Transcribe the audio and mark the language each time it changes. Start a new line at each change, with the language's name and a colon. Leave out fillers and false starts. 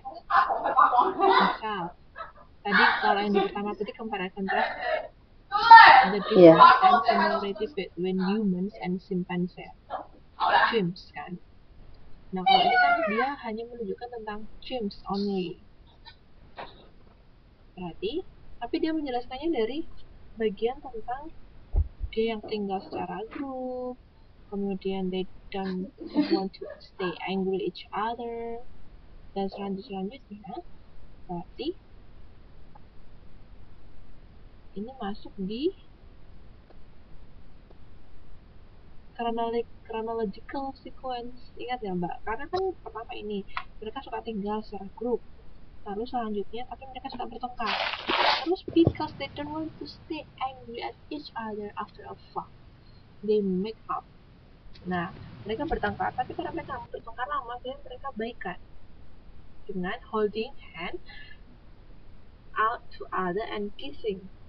Indonesian: Misal, tadi kalau yang pertama tadi
English: compare contrast, the difference and similarity between humans and chimpanzees. Chimps
Indonesian: kan. Nah kalau ini kan dia hanya menunjukkan tentang
English: chimps only.
Indonesian: Berarti, tapi dia menjelaskannya dari bagian tentang dia yang tinggal secara grup. Kemudian
English: they don't want to stay angry with each other.
Indonesian: Dan selanjutnya, berarti ini masuk di chronological sequence. Ingat ya mbak, karena kan pertama ini mereka suka tinggal secara grup. Lalu selanjutnya, tapi mereka suka bertengkar. Terus
English: because they don't want to stay angry at each other after a fight, they make up.
Indonesian: Nah, mereka bertengkar, tapi karena mereka bertengkar lama, jadi mereka baikan dengan
English: holding hand out to other and kissing.